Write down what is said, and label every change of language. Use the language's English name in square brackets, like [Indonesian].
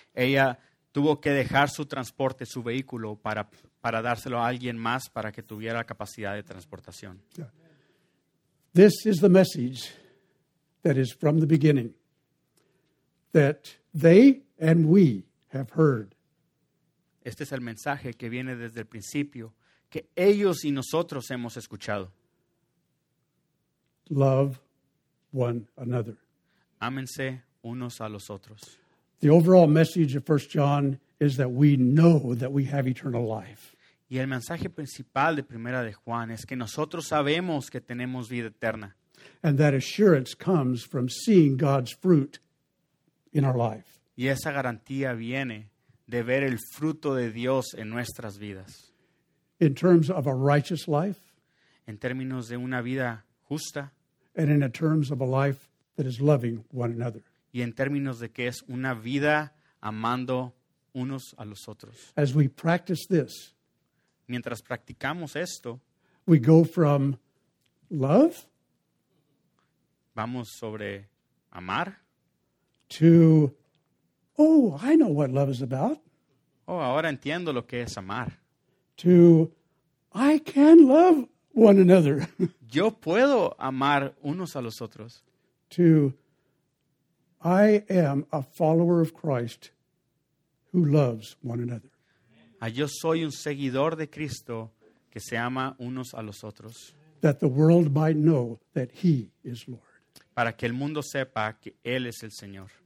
[Spanish] Ella tuvo que dejar su transporte, su vehículo, para dárselo a alguien más para que tuviera capacidad de transportación. [English] This is the message that is from the beginning that they and we have heard. [Spanish] Este es el mensaje que viene desde el principio que ellos y nosotros hemos escuchado. [English] Love one another. [Spanish] Ámense unos a los otros. [English] The overall message of 1 John is that we know that we have eternal life. [Spanish] Y el mensaje principal de Primera de Juan es que nosotros sabemos que tenemos vida eterna. [English] And that assurance comes from seeing God's fruit in our life. [Spanish] Y esa garantía viene de ver el fruto de Dios en nuestras vidas. [English] In terms of a righteous life. [Spanish] En términos de una vida justa. [English] And in terms of a life that is loving one another. [Spanish] Y en términos de que es una vida amando unos a los otros. [English] As we practice this, [Spanish] mientras practicamos esto, [English] we go from love, [Spanish] vamos sobre amar, [English] to, oh, I know what love is about. [Spanish] Oh, ahora entiendo lo que es amar. [English] To, I can love one another. [Spanish] Yo puedo amar unos a los otros. [English] To, I am a follower of Christ who loves one another. [Spanish] Yo soy un seguidor de Cristo que se ama unos a los otros. [English] That the world might know that he is Lord. [Spanish] Para que el mundo sepa que él es el Señor.